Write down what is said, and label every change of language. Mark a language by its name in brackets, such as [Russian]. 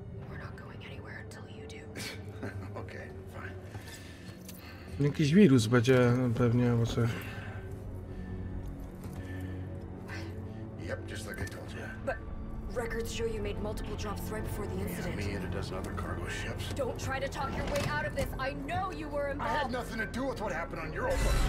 [English] We're not going anywhere until you do. Okay, fine. [Polish] Jakiś wirus będzie pewnie, albo coś. [English] Yep, just like I told you. But records show you made multiple drops right before the incident. Yeah, me and a dozen other cargo ships. Don't try to talk your way out of this. I know you were involved. I had nothing to do with what happened on Europa.